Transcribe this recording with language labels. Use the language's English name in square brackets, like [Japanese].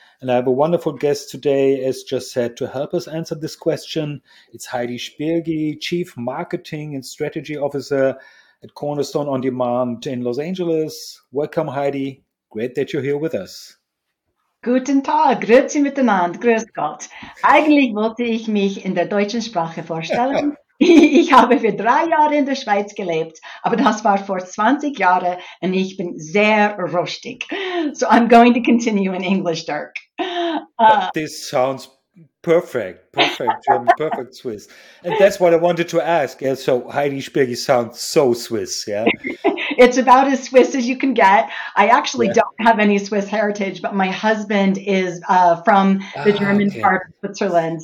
[English] And I have a wonderful guest today, as just said, to help us answer this question. It's Heidi Spiergi, Chief Marketing and Strategy Officer at Cornerstone On Demand in Los Angeles. Welcome, Heidi. Great that you're here with us. [German] Guten Tag, grüezi miteinander, grüß Gott. Eigentlich wollte ich mich in der deutschen Sprache vorstellen. Ich habe für 3 Jahre in der Schweiz gelebt, aber das war vor 20 Jahren und ich bin sehr rustig. [English] So I'm going to continue in English, Dirk. This sounds perfect, perfect German, perfect Swiss. And that's what I wanted to ask. Yeah, so Heidi Spiergi sounds so Swiss, yeah? It's about as Swiss as you can get. I actually don't have any Swiss heritage, but my husband is from the German part of Switzerland.